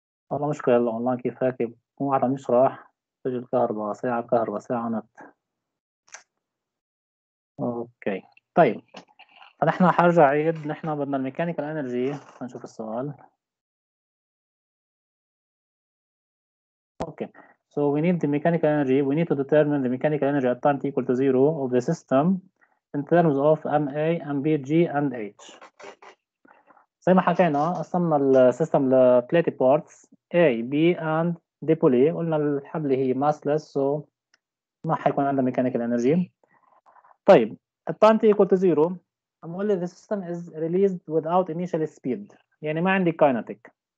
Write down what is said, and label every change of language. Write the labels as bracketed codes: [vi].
[ar] والله مشكله يلا اونلاين كيف هيك مو عم يشرح. تجي الكهرباء ساعه، كهرباء ساعه نت. اوكي طيب، فنحن حرجع عيد، نحن بدنا الميكانيكال انرجي. نشوف السؤال. [en] Okay so we need the mechanical energy, we need to determine the mechanical energy at time t equal to zero of the system in terms of ma and bg and h. [ar] زي ما حكينا قسمنا السيستم لثلاثة parts [en] a b and the pulley. [ar] قلنا الحبل هي massless so ما حيكون عندنا mechanical energy. [en] طيب at time t equal to zero I'm only the system is released without initial speed، [ar] يعني ما عندي [en] kinetic.